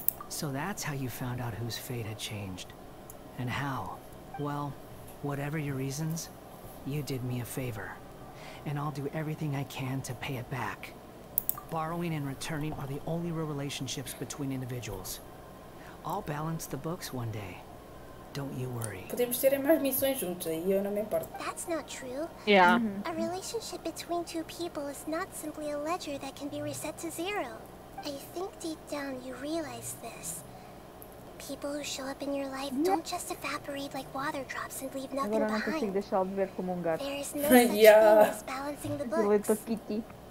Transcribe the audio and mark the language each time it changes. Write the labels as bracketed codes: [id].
[en] So that's how you found out whose fate had changed. And how? Well, whatever your reasons, you did me a favor. And I'll do everything I can to pay it back. Borrowing and returning are the only real relationships between individuals. I'll balance the books one day. Don't you worry. [pt] Podemos ter mais missões juntos, aí eu não me importo. [en] That's not true. Yeah. Mm-hmm. A relationship between two people is not simply a ledger that can be reset to zero. I think deep down you realize this. People who show up in your life don't just evaporate like water drops and leave nothing behind. [pt] Agora não consigo deixar de ver como gato. [en] There is no such thing as balancing the books.